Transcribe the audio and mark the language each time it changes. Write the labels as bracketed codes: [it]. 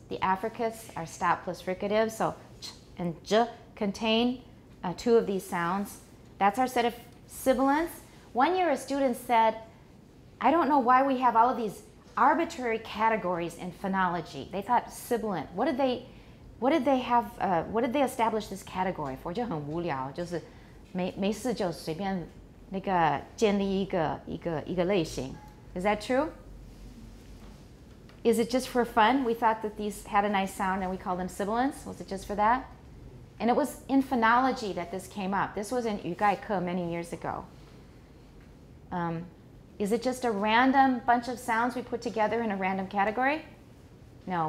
[en] The affricates are stopless fricatives, so ch and j contain two of these sounds. That's our set of sibilants. One year a student said, I don't know why we have all of these arbitrary categories in phonology. They thought sibilant. What did they establish this category for? [zh] 就很无聊，就是没事就随便那个建立一个类型. [en] Is that true? Is it just for fun? We thought that these had a nice sound and we called them sibilants. Was it just for that? And it was in phonology that this came up. This was in 语概课 many years ago. Is it just a random bunch of sounds we put together in a random category? No.